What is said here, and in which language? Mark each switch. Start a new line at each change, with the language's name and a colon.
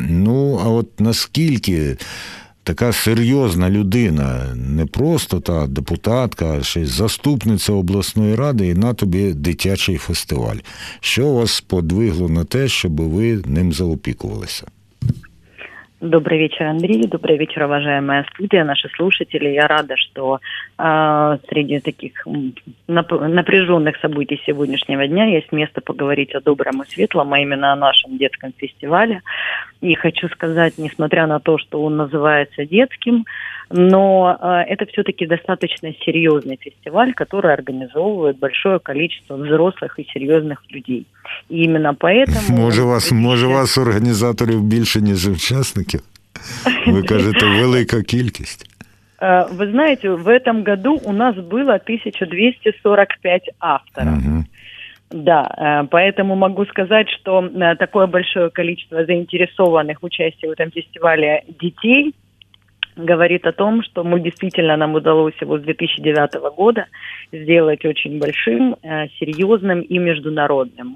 Ukrainian: Ну, а от наскільки така серйозна людина, не просто та депутатка, а ще й заступниця обласної ради, і на тобі дитячий фестиваль. Що вас подвигло на те, щоб ви ним заопікувалися?
Russian: Добрый вечер, Андрей. Добрый вечер, уважаемая студия, наши слушатели. Я рада, что среди таких напряженных событий сегодняшнего дня есть место поговорить о добром и светлом, а именно о нашем детском фестивале. И хочу сказать, несмотря на то, что он называется детским, но это все-таки достаточно серьезный фестиваль, который организовывает большое количество взрослых и серьезных людей. И именно поэтому... Может, у вас организаторов больше, не за участников?
Ukrainian: Вы кажете, велика кількість.
Russian: Вы знаете, в этом году у нас было 1245 авторов. Угу. Да, поэтому могу сказать, что такое большое количество заинтересованных в участии в этом фестивале детей говорит о том, что мы действительно нам удалось его с 2009 года сделать очень большим, серьезным и международным.